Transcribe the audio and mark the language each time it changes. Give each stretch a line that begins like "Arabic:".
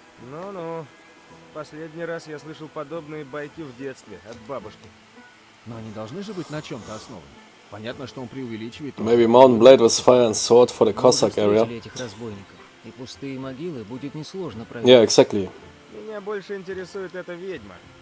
Russian: Ну-ну. Последний раз я слышал подобные байки в детстве от бабушки. Но они должны же быть на чем-то основаны. Понятно, что он преувеличивает...
English: Maybe Mountain Blade was fire and sword for the Cossack area.
Russian: Этих разбойников, и пустые могилы будет несложно проверить.
English: Yeah, exactly.
Russian: Меня больше интересует эта ведьма.